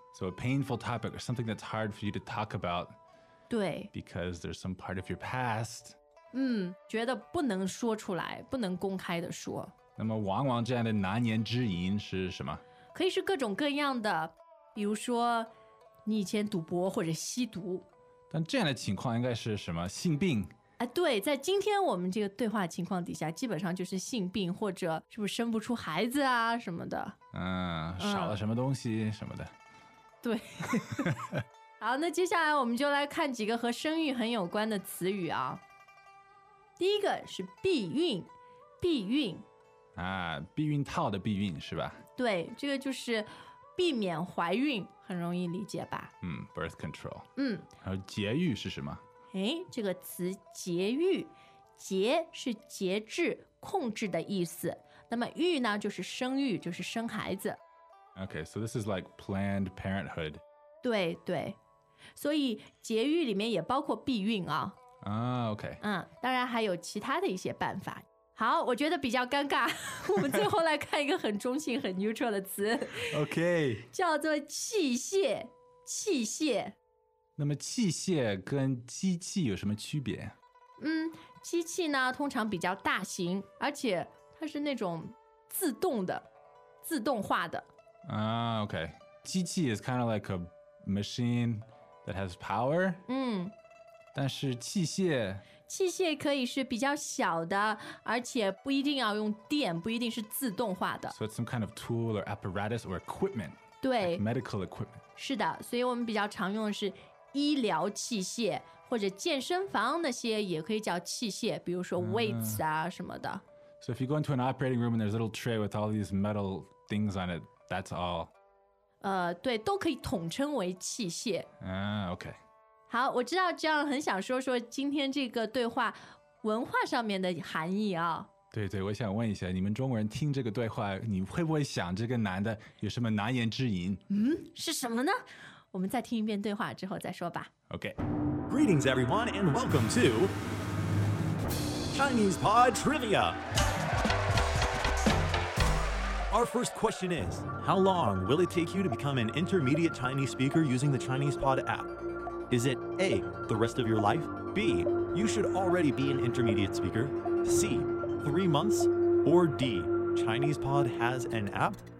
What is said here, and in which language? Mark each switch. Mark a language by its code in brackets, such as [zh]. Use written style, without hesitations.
[en] So a painful topic or something that's hard for you to talk about. [zh] 对。 [en] Because there's some part of your past. [zh] 嗯，觉得不能说出来，不能公开的说。那么往往这样的难言之隐是什么？可以是各种各样的，比如说你以前赌博或者吸毒。但这样的情况应该是什么？性病。对，在今天我们这个对话情况底下，基本上就是性病或者是不是生不出孩子啊什么的。嗯，少了什么东西什么的。对。好，那接下来我们就来看几个和生育很有关的词语啊。第一个是避孕，避孕。啊，避孕套的避孕是吧？对，这个就是避免怀孕，很容易理解吧？ [en] 嗯 ，birth control。嗯， [zh] 然后节育是什么？哎，这个词节育，节是节制、控制的意思。那么育呢，就是生育，就是生孩子。 [en] Okay, so this is like Planned Parenthood. [zh] 对对，所以节育里面也包括避孕啊。 [en] 啊 ，Okay。 [zh] 嗯，当然还有其他的一些办法。好，我觉得比较尴尬。我们最后来看一个很中性、很 neutral 的词 [en] ，OK， [zh] 叫做器械。器械。那么器械跟机器有什么区别？嗯，机器呢通常比较大型，而且它是那种自动的、自动化的。 [en] 啊、，OK， 机器 is kind of like a machine that has power。嗯， [zh] 但是器械。器械可以是比较小的，而且不一定要用电，不一定是自动化的。 [en] So it's some kind of tool or apparatus or equipment. [zh] 对、 [en] like、medical equipment. [zh] 是的，所以我们比较常用的是医疗器械，或者健身房那些也可以叫器械，比如说 weights 啊什么的。 [en] So if you go into an operating room and there's a little tray with all these metal things on it, that's all. [zh] 对，都可以统称为器械。 [en] Okay. [zh] 好，我知道这样很想说说今天这个对话文化上面的含义啊、哦。对对，我想问一下，你们中国人听这个对话，你会不会想这个男的有什么难言之隐？嗯，是什么呢？我们再听一遍对话之后再说吧。 [en] OK. Greetings, everyone, and welcome to Chinese Pod Trivia. Our first question is, how long will it take you to become an intermediate Chinese speaker using the Chinese Pod app? Is it A, the rest of your life, B, you should already be an intermediate speaker, C, 3 months, or D, ChinesePod has an app?